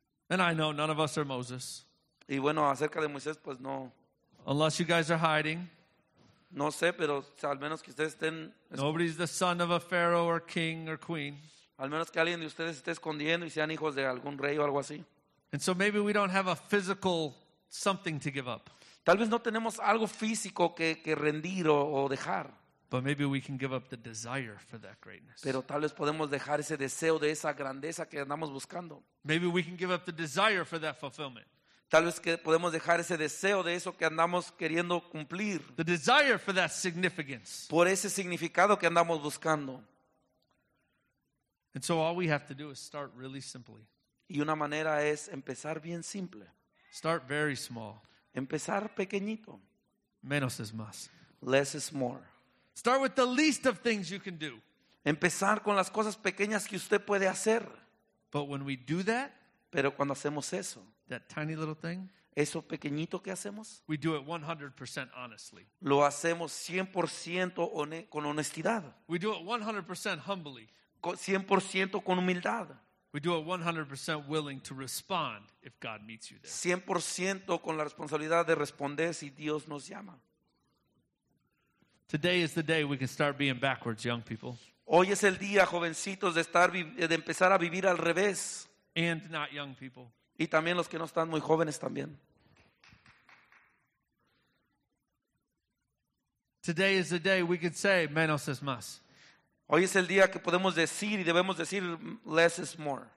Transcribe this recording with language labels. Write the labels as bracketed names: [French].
[English] And I know none of us are Moses. [Spanish] Y bueno, acerca de Moisés, pues no. [English] Unless you guys are hiding. [Spanish] No sé, pero al menos que ustedes estén. [English] Nobody's the son of a pharaoh or king or queen. [Spanish] Al menos que alguien de ustedes esté escondiendo y sean hijos de algún rey o algo así. [English] And so maybe we don't have a physical something to give up. [Spanish] Tal vez no tenemos algo físico que rendir o dejar. [English] But maybe we can give up the desire for that greatness. [Spanish] Pero tal vez podemos dejar ese deseo de esa grandeza que andamos buscando. [English] Maybe we can give up the desire for that fulfillment. [Spanish] Tal vez que podemos dejar ese deseo de eso que andamos queriendo cumplir. [English] The desire for that significance. [Spanish] Por ese significado que andamos buscando. [English] And so all we have to do is start really simply. [Spanish] Y una manera es empezar bien simple. [English] Start very small. [Spanish] Empezar pequeñito. Menos es más. [English] Less is more. Start with the least of things you can do. [Spanish] Empezar con las cosas pequeñas que usted puede hacer. [English] But when we do that, [Spanish] pero cuando hacemos eso, [English] that tiny little thing, [Spanish] eso pequeñito que hacemos, [English] we do it 100% honestly. [Spanish] Lo hacemos 100% con honestidad. [English] We do it 100% humbly. [Spanish] 100% con humildad. [English] We do it 100% willing to respond if God meets you there. [Spanish] 100% con la responsabilidad de responder si Dios nos llama. [English] Today is the day we can start being backwards, young people. [Spanish] Hoy es el día, jovencitos, de empezar a vivir al revés. [English] And not young people. [Spanish] Y también los que no están muy jóvenes también. [English] Today is the day we can say [Spanish] menos es más. Hoy es el día que podemos decir y debemos decir [English] less is more.